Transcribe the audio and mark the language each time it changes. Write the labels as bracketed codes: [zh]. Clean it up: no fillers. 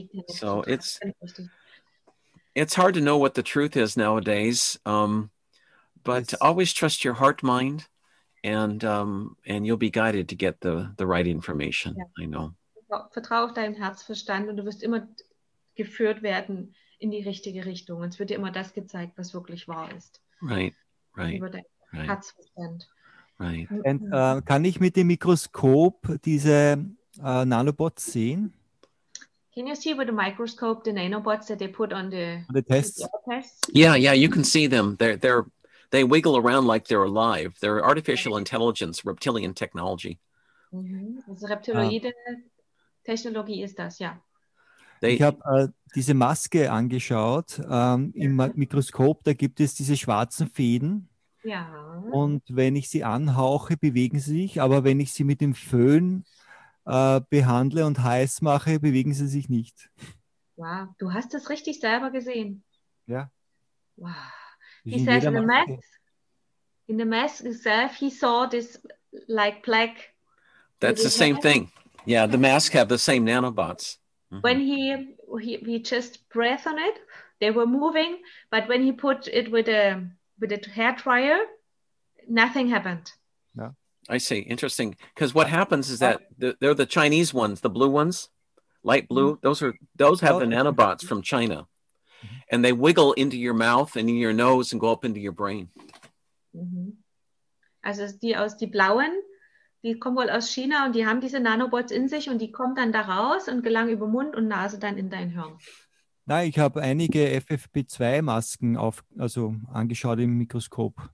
[en] So it's hard to know what the truth is nowadays. But always trust your heart, mind. And you'll be guided to get the right information. Yeah. I know. [de] Vertrau auf deinem Herzverstand und du wirst immer geführt werden in die richtige Richtung. Und es wird dir immer das gezeigt, was wirklich wahr ist. [en] Right. [de] Über dein Herzverstand. [en] Right. And [de] kann ich mit dem Mikroskop diese Nanobots sehen? [en] Can you see with the microscope the nanobots that they put on the tests? Yeah, you can see them. They wiggle around like they're alive. They're artificial intelligence, reptilian technology. Mm-hmm. [de] Also reptiloide Technologie ist das, ja. Ich habe diese Maske angeschaut im Mikroskop. Da gibt es diese schwarzen Fäden. Ja. Und wenn ich sie anhauche, bewegen sie sich. Aber wenn ich sie mit dem Föhn behandle und heiß mache, bewegen sie sich nicht. Wow, du hast das richtig selber gesehen. Ja. Wow. [en] He says in the mask itself, he saw this like plaque. That's the same thing. Yeah, the mask have the same nanobots. Mm-hmm. When he just breathed on it, they were moving. But when he put it with a hair dryer, nothing happened. Yeah, I see. Interesting. Because what happens is that they're the Chinese ones, the blue ones, light blue. Mm-hmm. Those have the nanobots from China. And they wiggle into your mouth and in your nose and go up into your brain. Mm-hmm. [de] Also die blauen, die kommen wohl aus China und die haben diese Nanobots in sich und die kommen dann da raus und gelangen über Mund und Nase dann in dein Hirn. Nein, ich habe einige FFP2-Masken angeschaut im Mikroskop.